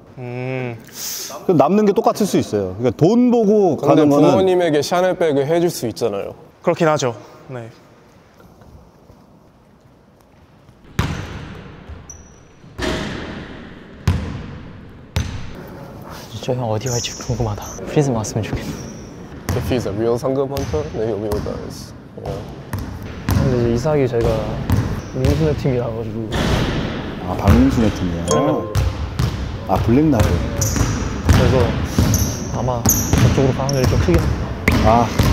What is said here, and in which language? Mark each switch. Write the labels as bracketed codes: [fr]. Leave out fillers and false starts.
[ko] 그럼 남는 게 똑같을 수 있어요. 그러니까 돈 보고 가는 거는. 근데 부모님에게 샤넬백을 해줄 수 있잖아요. 그렇긴 하죠. 네. 저 형 어디 갈지 궁금하다. 프리즘 왔으면 좋겠네. [en] If he's a real 상금 hunter, then he'll be with us. Yeah. [ko] 근데 이제 이상하게 저희가 민수네 팀이라 가지고. 아, 박민수네 팀이야. 아, 블랙나블. 그래서 아마 저쪽으로 방향이 좀 크게. 아.